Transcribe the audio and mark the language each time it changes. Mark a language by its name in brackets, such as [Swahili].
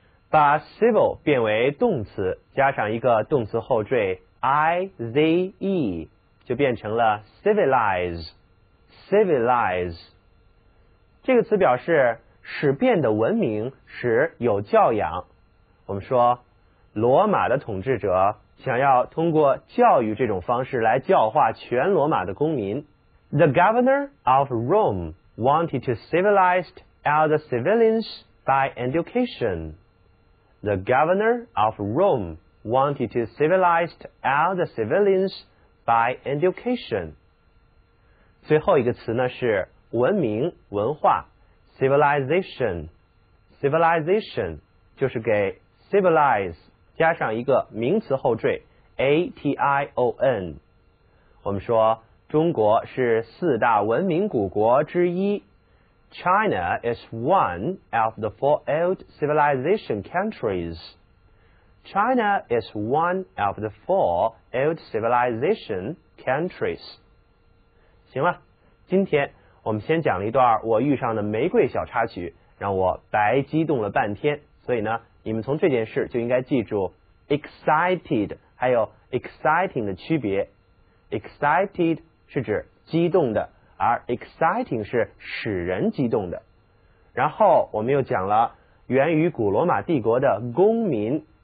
[Chinese] 把 civil 变为动词，加上一个动词后缀 ize， 就变成了 civilize， civilize。这个词表示使变得文明，使有教养。我们说罗马的统治者想要通过教育这种方式来教化全罗马的公民。 [English] The governor of Rome wanted to civilize all the civilians by education。 The governor of Rome wanted to civilize all the civilians by education。 [Chinese] 最后一个词呢是文明，文化， civilization， civilization 就是给 civilize 加上一个名词后缀 ation。我们说中国是四大文明古国之一， [English] China is one of the four old civilization countries. China is one of the four old civilization countries. [Chinese] 行了，今天我们先讲了一段我遇上的玫瑰小插曲，让我白激动了半天。所以呢，你们从这件事就应该记住 excited 还有 exciting 的区别。 excited 是指激动的，而 exciting 是使人激动的。然后我们又讲了源于古罗马帝国的公民